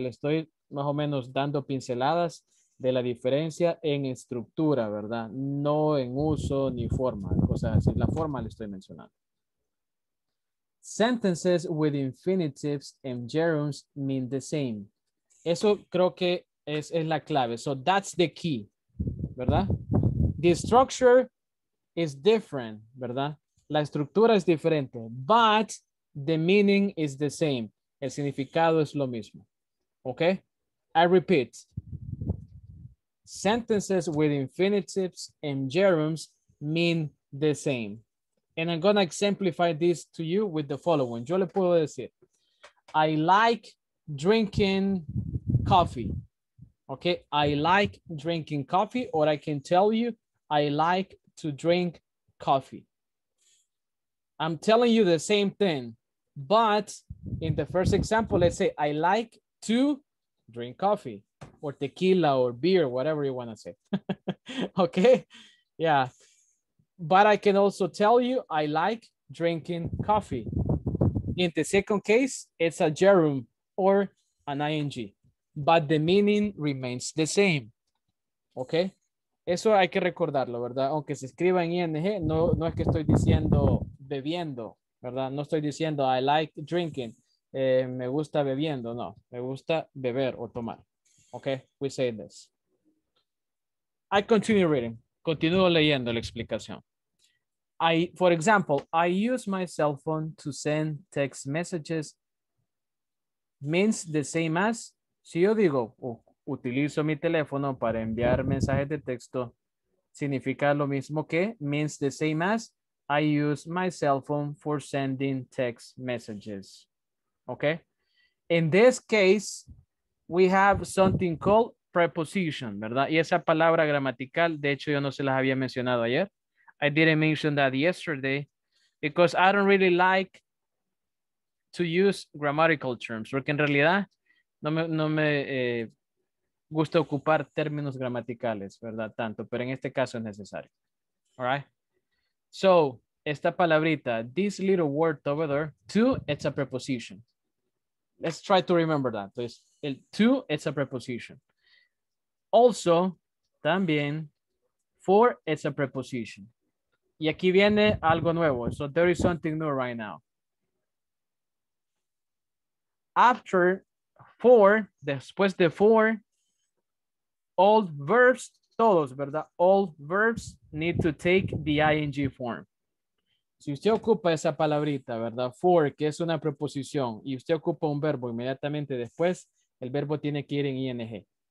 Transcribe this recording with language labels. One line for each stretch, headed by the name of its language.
Spanish: Le estoy más o menos dando pinceladas de la diferencia en estructura, ¿verdad? No en uso ni forma, o sea, si la forma le estoy mencionando.
English: Sentences with infinitives and gerunds mean the same.
Spanish: Eso creo que es la clave.
English: So that's the key,
Spanish: ¿verdad?
English: The structure is different, ¿verdad?
Spanish: La estructura es diferente,
English: but the meaning is the same.
Spanish: El significado es lo mismo. Okay?
English: I repeat. Sentences with infinitives and gerunds mean the same. And I'm gonna exemplify this to you with the following.
Spanish: Yo le puedo decir,
English: I like drinking coffee. Okay, I like drinking coffee, or I can tell you, I like to drink coffee. I'm telling you the same thing, but in the first example, let's say I like to drink coffee or tequila or beer, whatever you wanna say. Okay, yeah. But I can also tell you, I like drinking coffee. In the second case, it's a gerund or an ing, but the meaning remains the same.
Spanish: Okay? Eso hay que recordarlo, ¿verdad? Aunque se escriba en ing, no es que estoy diciendo bebiendo, ¿verdad? No estoy diciendo,
English: I like drinking.
Spanish: Me gusta bebiendo, no. Me gusta beber o tomar.
English: Okay? We say this. I continue reading.
Spanish: Continúo leyendo la explicación.
English: For example, I use my cell phone to send text messages means the same as,
Spanish: si yo digo, utilizo mi teléfono para enviar mensajes de texto, significa lo mismo que,
English: means the same as, I use my cell phone for sending text messages. Okay? In this case, we have something called preposition, ¿verdad?
Spanish: Y esa palabra gramatical, de hecho, yo no se las había mencionado ayer.
English: I didn't mention that yesterday because I don't really like to use grammatical terms.
Spanish: Porque en realidad no me gusta ocupar términos gramaticales, ¿verdad? Tanto, pero en este caso es necesario.
English: All right. So,
Spanish: esta palabrita,
English: this little word over there, to, it's a preposition. Let's try to remember that. Entonces, el to, it's a preposition. Also, también, for, it's a preposition.
Spanish: Y aquí viene algo nuevo.
English: So there is something new right now. After four,
Spanish: después de
English: four, all verbs, todos, ¿verdad? All verbs need to take the ing form.
Spanish: Si usted ocupa esa palabrita, ¿verdad? For, que es una preposición, y usted ocupa un verbo inmediatamente después, el verbo tiene que ir en ing.